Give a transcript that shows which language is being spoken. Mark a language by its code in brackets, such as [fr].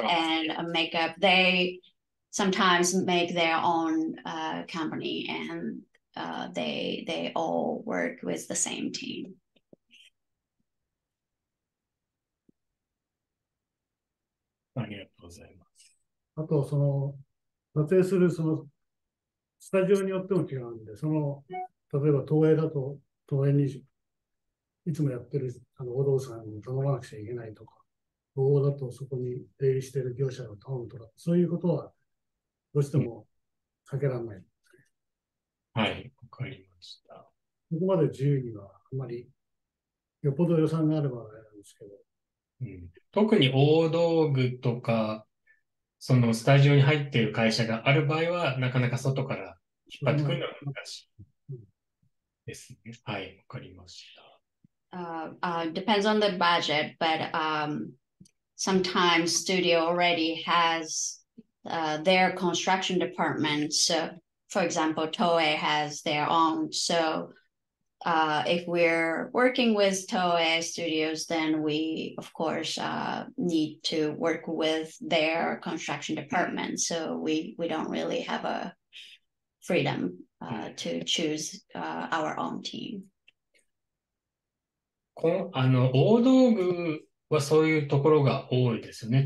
[en] and makeup, they sometimes make their own company and they all work with the same team. [ja] ありがとうございます。あと、その、撮影する、その、スタジオによっても違うんで、その、例えば、東映だと、東映に、いつもやってる、お堂さんに頼まなくちゃいけないとか、東映だと、そこに出入りしてる業者を頼むとか、そういうことは、どうしても、避けられない、ね。はい、わかりました。ここまで自由には、あまり、よっぽど予算があればあれなんですけど、特に大道具とかそのスタジオに入っている会社がある場合はなかなか外から引っ張ってくるのは難しい、ですね。はい、わかりました。 [en] Depends on the budget, but sometimes studio already has their construction department. So, for example, Toei has their own. So, if we're working with Toei studios, then we, of course, need to work with their construction department. So, we don't really have a freedom to choose our own team. [ja] 大道具はそういうところが多いですよね。